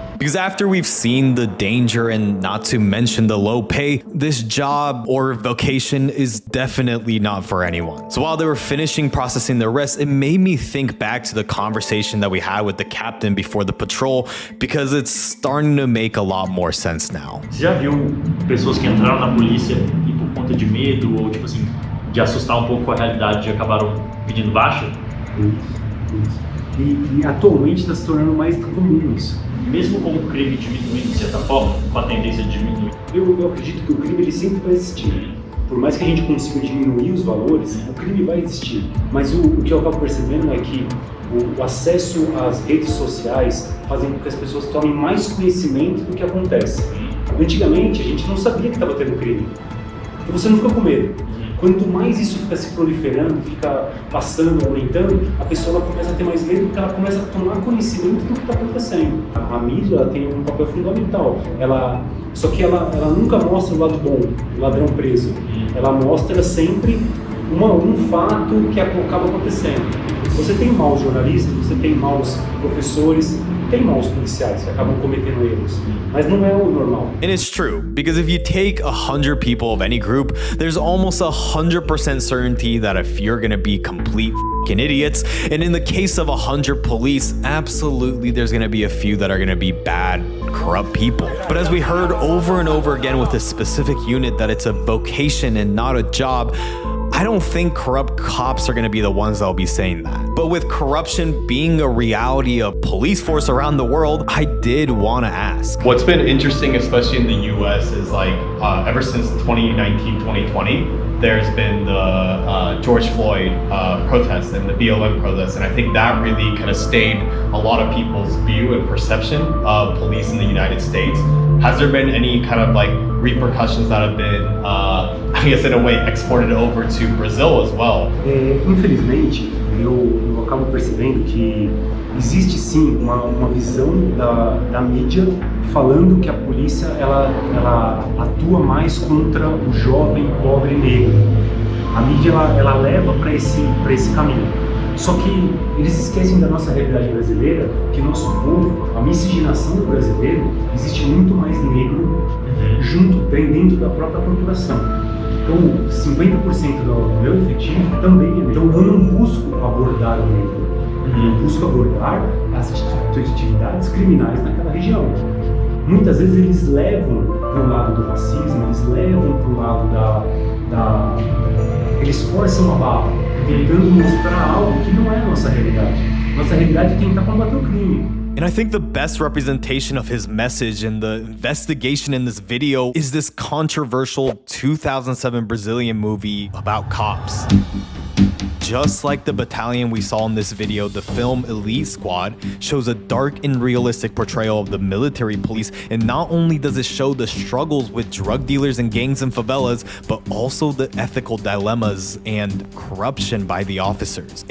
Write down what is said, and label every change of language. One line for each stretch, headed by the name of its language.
English: Because after we've seen the danger and not to mention the low pay, this job or vocation is definitely not for anyone. So while they were finishing processing the arrest, it made me think back to the conversation that we had with the captain before the patrol, because it's starting to make a lot more sense now.
Portuguese: Já viu pessoas que entraram na polícia e por conta de medo ou tipo assim, de assustar pouco com a realidade, já acabaram pedindo baixa? Isso. E atualmente está se tornando mais comum isso. Mesmo com o crime diminuindo de certa forma, com a tendência de diminuir. Eu acredito que o crime ele sempre vai existir. Por mais que a gente consiga diminuir os valores, o crime vai existir. Mas o que eu acabo percebendo é que o acesso às redes sociais fazem com que as pessoas tomem mais conhecimento do que acontece. Antigamente, a gente não sabia que estava tendo crime. Então você não fica com medo. Quanto mais isso fica se proliferando, fica passando, aumentando, a pessoa ela começa a ter mais medo, porque ela começa a tomar conhecimento do que está acontecendo. A mídia ela tem um papel fundamental. Só que ela nunca mostra o lado bom, o ladrão preso. Ela mostra sempre um fato que acaba acontecendo. Você tem maus jornalistas, você tem maus professores, tem maus policiais que acabam cometendo erros.
English: And it's true, because if you take 100 people of any group, there's almost 100% certainty that a few are gonna be complete f***ing idiots. And in the case of 100 police, absolutely there's gonna be a few that are gonna be bad, corrupt people. But as we heard over and over again with this specific unit that it's a vocation and not a job, I don't think corrupt cops are going to be the ones that will be saying that. But with corruption being a reality of police force around the world, I did want to ask. What's been interesting, especially in the US, is like ever since 2019, 2020, there's been the George Floyd protests and the BLM protests. And I think that really kind of stayed a lot of people's view and perception of police in the United States. Has there been any kind of like repercussions that have been, hackers in a way exported over to Brazil as well.
Portuguese: Infelizmente, eu acabo percebendo que existe sim uma visão da mídia falando que a polícia ela atua mais contra o jovem pobre negro. A mídia ela leva para esse caminho. Só que eles esquecem da nossa realidade brasileira, que nosso povo, a miscigenação do brasileiro, existe muito mais negro junto, dentro da própria população. Então, 50% do meu efetivo também é negro. Então, eu não busco abordar o negro. Eu busco abordar as atividades criminais naquela região. Muitas vezes eles levam para o lado do racismo, eles levam para o lado da... Eles forçam a barra, tentando mostrar algo que não é a nossa realidade. Nossa realidade é tentar combater o crime.
English: And I think the best representation of his message and the investigation in this video is this controversial 2007 Brazilian movie about cops. Just like the battalion we saw in this video, the film Elite Squad shows a dark and realistic portrayal of the military police, and not only does it show the struggles with drug dealers and gangs and favelas, but also the ethical dilemmas and corruption by the officers.